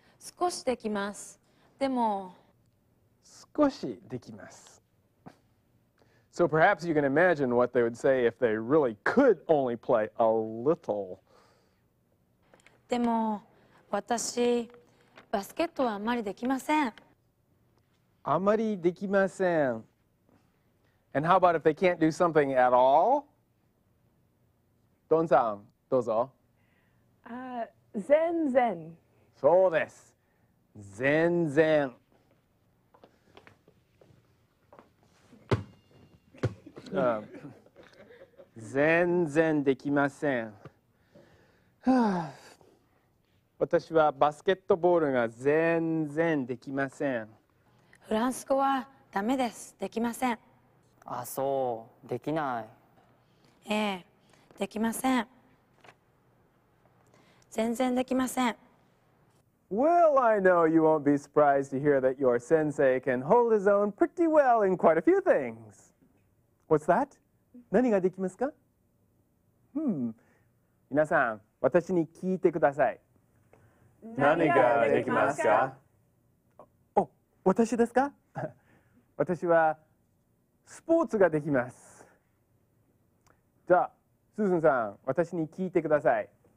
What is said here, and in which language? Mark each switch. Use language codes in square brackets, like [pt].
[en] So perhaps you can imagine what they would say if they really could only play a little. [ja] でも、私、バスケットはあまりできません。あまりできません。 [en] And how about if they can't do something at all? [ja] Don さん、どうぞ。全然。そうです。全然。全然できません。私はバスケットボールが全然できません。フランス語はダメです。できません。あ、そう。できない。ええ、できません。全然できません。 [en] Well, I know you won't be surprised to hear that your sensei can hold his own pretty well in quite a few things. What's that? [ja] 何ができますか? [en] Hmm. [ja] 皆さん、私に聞いてください。何ができますか? Oh, 私ですか? 私はスポーツができます。じゃあ、スーズンさん、私に聞いてください。